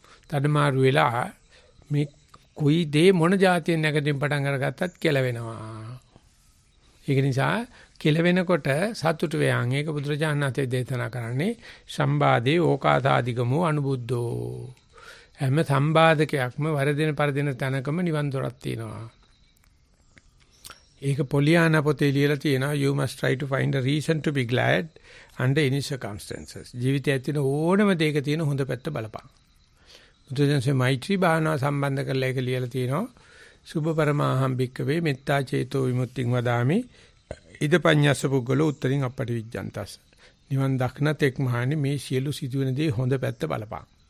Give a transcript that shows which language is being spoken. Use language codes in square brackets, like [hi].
[si] තඩමාරු වෙලා මේ කුයි දේ මොන જાතියෙන් නැගදින් පටන් අරගත්තත් කෙලවෙනවා. ඒක නිසා කෙලවෙනකොට සතුටු වෙයන්. ඒක බුදුරජාණන් වහන්සේ දේශනා කරන්නේ [pi] සම්බාධේ ඕකාසාදිගමෝ අනුබුද්ධෝ. [si] හැම සම්බාධකයක්ම වරදින පරදින තැනකම නිවන් දොරක් තියෙනවා. ඒක පොලියාන පොතේ ලියලා තියෙනවා [en] you must try to find a reason to be glad under any circumstances. [si] ජීවිතයේ තියෙන ඕනම දෙයක තියෙන හොඳ පැත්ත බලපන්. බුදුරජාණන්සේ මෛත්‍රී භාවනාව සම්බන්ධ කරලා ඒක ලියලා තියෙනවා [pi] සුභ පරමාහම් භික්කවේ මෙත්තා චේතෝ විමුක්තිං වදාමි ඉදපඤ්ඤස්ස පුද්ගල උත්තරින් අපටි විජ්ජන්තස්. [si] නිවන් දක්න තෙක් මහණි මේ සියලු සිදුවෙන දේ හොඳ පැත්ත බලපන්.